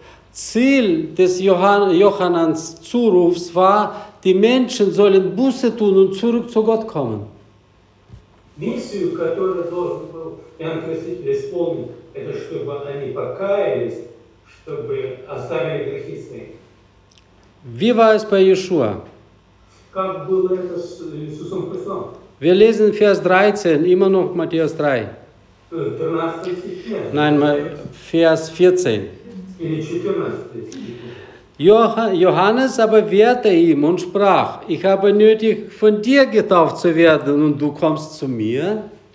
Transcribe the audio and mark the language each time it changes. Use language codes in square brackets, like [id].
[de] Ziel des Johannes Zurufs war, die Menschen sollen Buße tun und zurück zu Gott kommen. [ru] Миссию, которую должен был Иоанн Креститель исполнить, это чтобы они покаялись, чтобы оставили грехи свои. [de] Wie war es bei Jeschua? [ru] Как было это с Иисусом Христом? [de] Wir lesen Vers 13, immer noch Matthäus 3. [ru] 13 стих. [de] Nein, Vers 14. [ru] Или 14 стих. [de] Johannes aber wehrte ihm und sprach, ich habe nötig, von dir getauft zu werden, und du kommst zu mir?